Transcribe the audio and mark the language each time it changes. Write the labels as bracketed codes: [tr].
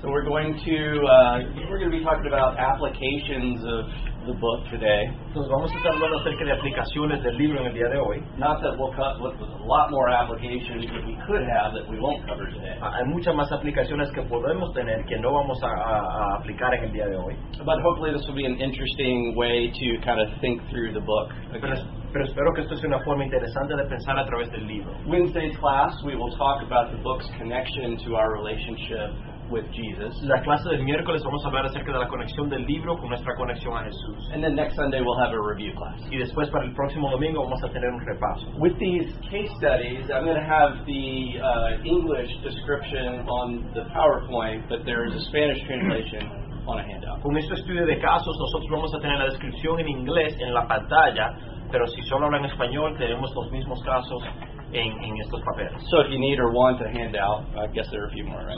[en] So we're going to be talking about applications of the book today. [es] Entonces vamos a estar hablando acerca de aplicaciones del libro en el día de hoy. [en] Not that we'll cut, but there's a lot more applications that we could have that we won't cover today. [es] Hay muchas más aplicaciones que podemos tener que no vamos a aplicar en el día de hoy. [en] But hopefully this will be an interesting way to kind of think through the book. [es] Pero espero que esto sea una forma interesante de pensar a través del libro. [en] Wednesday's class, we will talk about the book's connection to our relationship with Jesus. [es] La clase del miércoles vamos a hablar acerca de la conexión del libro con nuestra conexión a Jesús. [en] And then next Sunday we'll have a review class. [es] Y después para el próximo domingo vamos a tener un repaso. [en] With these case studies, I'm going to have the English description on the PowerPoint, but there is a Spanish translation. On a handout. [es] Con este estudio de casos, nosotros vamos a tener la descripción en inglés en la pantalla, pero si solo hablan español, tenemos los mismos casos en estos papeles. [en] So if you need or want a handout, I guess there are a few more, right?